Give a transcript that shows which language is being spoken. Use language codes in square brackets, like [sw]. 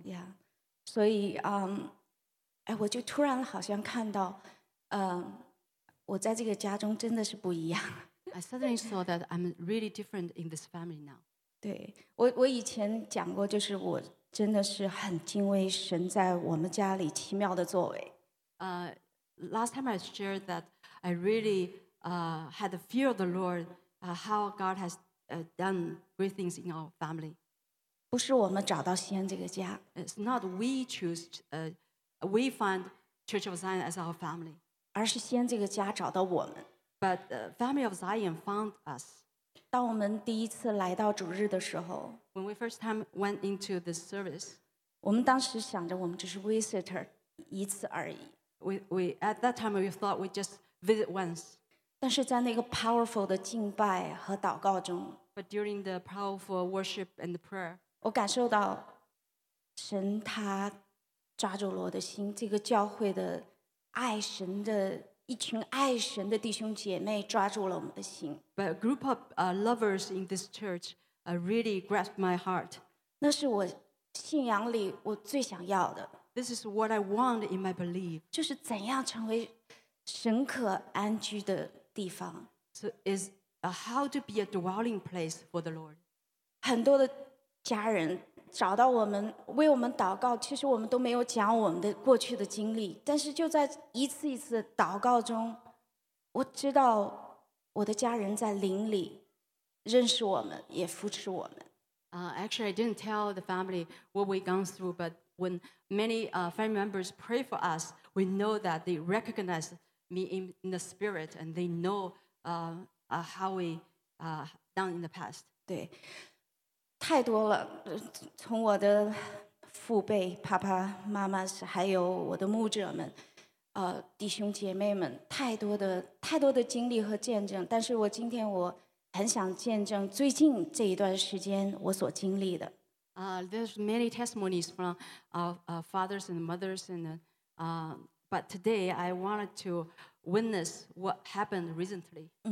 [zh] Yeah, 所以我就突然好像看到，我在这个家中真的是不一样。 [en] I suddenly saw that I'm really different in this family now. [zh] 对，我以前讲过，就是我。真的是很敬畏神在我们家里奇妙的作为。 [en] Last time I shared that I really had the fear of the Lord, how God has done great things in our family. [zh] 不是我们找到西安这个家。 [en] It's not we choose, we find Church of Zion as our family. [zh] 而是西安这个家找到我们。 [en] But the family of Zion found us. [zh] 当我们第一次来到主日的时候 [en] ，When we first time went into the service， [zh] 我们当时想着我们只是 visitor 一次而已。 [en] We at that time we thought we just visit once。 [zh] 但是在那个 powerful 的敬拜和祷告中 [en] ，But during the powerful worship and the prayer， [zh] 我感受到神他抓住了我的心，这个教会的爱神的。一群爱神的弟兄姐妹抓住了我们的心。 [en] But a group of lovers in this church really grasped my heart. [zh] 那是我信仰里我最想要的。 [en] This is what I want in my belief. [zh] 就是怎样成为神可安居的地方。 [en] So is how to be a dwelling place for the Lord. [zh] 很多的家人找到我们为我们祷告其实我们都没有讲我们的过去的经历但是就在一次一次祷告中我知道我的家人在灵里认识我们也扶持我们 [en] Actually I didn't tell the family what we've gone through but when many family members pray for us we know that they recognize me in the spirit and they know how we done in the past [zh] 对太多了，从我的父辈、爸爸妈妈，还有我的牧者们，弟兄姐妹们，太多的经历和见证。但是我今天我很想见证最近这一段时间我所经历的。 [en] There's many testimonies from fathers and mothers, and but today I wanted to witness what happened recently.